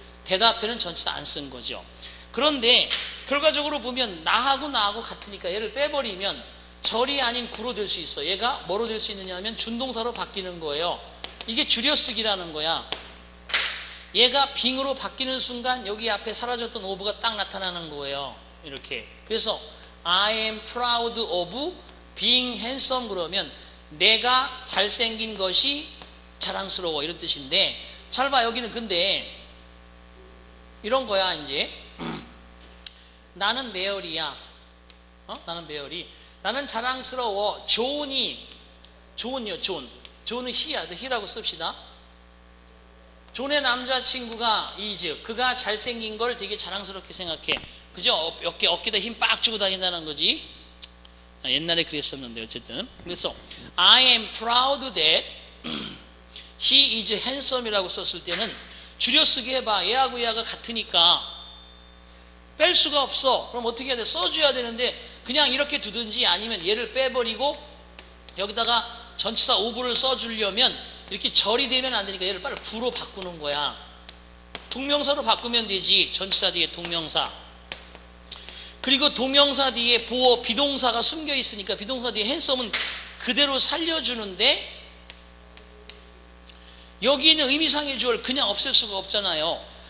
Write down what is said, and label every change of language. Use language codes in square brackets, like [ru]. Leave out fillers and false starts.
[ko] 대답에는 전치사 안 쓴 거죠. 그런데 결과적으로 보면 나하고 나하고 같으니까 얘를 빼버리면 절이 아닌 구로 될 수 있어. 얘가 뭐로 될 수 있느냐 하면 준동사로 바뀌는 거예요. 이게 줄여쓰기라는 거야. 얘가 빙으로 바뀌는 순간 여기 앞에 사라졌던 of가 딱 나타나는 거예요. 이렇게. 그래서 [en] I am proud of being handsome. [ko] 그러면 내가 잘생긴 것이 자랑스러워. 이런 뜻인데, 잘 봐. 여기는 근데 이런 거야. 이제 나는 메어리야. 나는 메어리. 나는 자랑스러워. 존이. 존이요. 존. 존은 히야. 히라고 씁시다. 존의 남자친구가 이즈. 그가 잘생긴 걸 되게 자랑스럽게 생각해. 그죠? 어깨에 힘 빡 주고 다닌다는 거지. 아, 옛날에 그랬었는데 어쨌든. 그래서 [en] I am proud that he is handsome [ko] 이라고 썼을 때는 줄여쓰기 해봐. 얘하고 얘하고 같으니까 뺄 수가 없어. 그럼 어떻게 해야 돼? 써줘야 되는데 그냥 이렇게 두든지 아니면 얘를 빼버리고 여기다가 전치사 of를 써주려면 이렇게 절이 되면 안 되니까 얘를 빨리 구로 바꾸는 거야. 동명사로 바꾸면 되지. 전치사 뒤에 동명사. 그리고 동명사 뒤에 보어 비동사가 숨겨 있으니까 비동사 뒤에 handsome은 그대로 살려주는데 여기는 의미상의 주어를 그냥 없앨 수가 없잖아요.